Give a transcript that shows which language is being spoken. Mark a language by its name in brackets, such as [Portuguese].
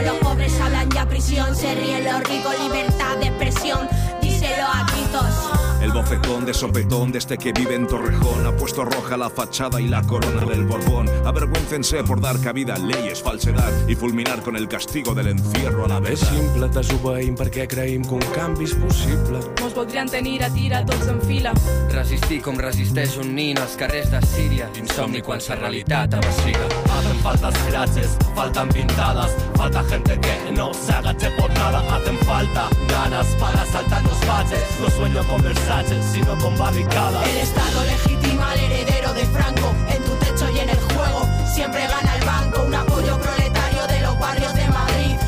[Spanish] Los pobres hablan ya prisión, se ríen los ricos. Libertad de expresión, díselo a gritos. El bofetón de sopetón de este que vive en Torrejón ha puesto roja la fachada y la corona del Borbón. Avergüéncense por dar cabida a leyes, falsedad y fulminar con el castigo del encierro a la vez. [Catalan] Es simple, t'ajubeim perquè creïm que un canvi és possible. Mos voldrien tenir a tira tots en fila. Resistir com resisteix un nin als carrers de Síria. Insomni quan sa realitat amassiga. [Spanish] Hacen falta scratches, faltan pintadas. Falta gente que no se agache por nada. Hacen falta ganas para saltar los baches. No sueño con versión sino con barricadas. El Estado legitima al heredero de Franco. En tu techo y en el juego siempre gana el banco. Un apoyo proletario de los barrios de Madrid.